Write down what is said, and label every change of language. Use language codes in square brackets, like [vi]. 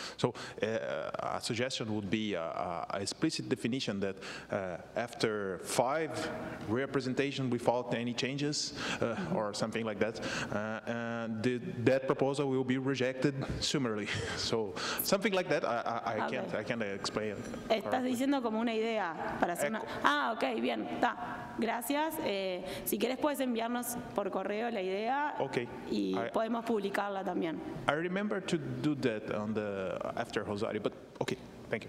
[en] So a suggestion would be a explicit definition that after 5 representation without any changes or something like that, that proposal will be rejected summarily. So something like that, I can't explain. [es] Estás diciendo como una idea para hacer una. Ah, okay, bien, está. Gracias. Si quieres puedes enviarnos por correo la idea. Okay. Y podemos publicarla también. [en] I remember to do that on the after Rosario, but okay, thank you.